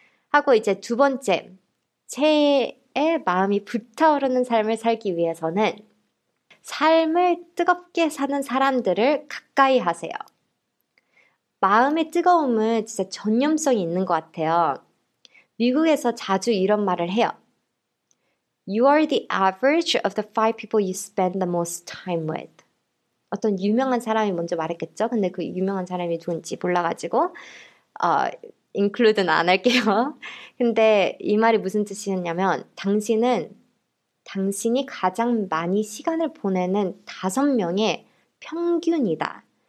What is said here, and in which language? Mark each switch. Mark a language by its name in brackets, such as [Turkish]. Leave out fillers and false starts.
[Korean] 하고 이제 두 번째, 새해의 마음이 불타오르는 삶을 살기 위해서는 삶을 뜨겁게 사는 사람들을 가까이 하세요. 마음의 뜨거움은 진짜 전염성이 있는 것 같아요. 미국에서 자주 이런 말을 해요. [English] You are the average of the five people you spend the most time with. [Korean] 어떤 유명한 사람이 먼저 말했겠죠? 근데 그 유명한 사람이 누군지 몰라가지고, include는 안 할게요. 근데 이 말이 무슨 뜻이냐면, 당신이 가장 많이 시간을 보내는 다섯 명의 평균이다.